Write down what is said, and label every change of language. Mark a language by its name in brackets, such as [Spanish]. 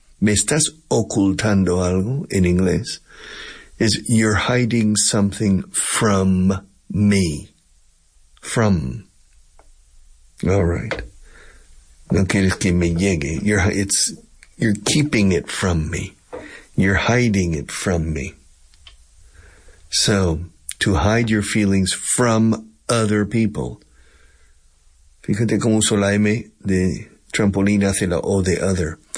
[Spanish] ¿Me estás ocultando algo en inglés? [English] Is you're hiding something from me. From. All right. [Spanish] No quieres que me llegue. [English] You're keeping it from me. You're hiding it from me. So, to hide your feelings from other people. [Spanish] Fíjate cómo uso la M de trampolín hace la O de other.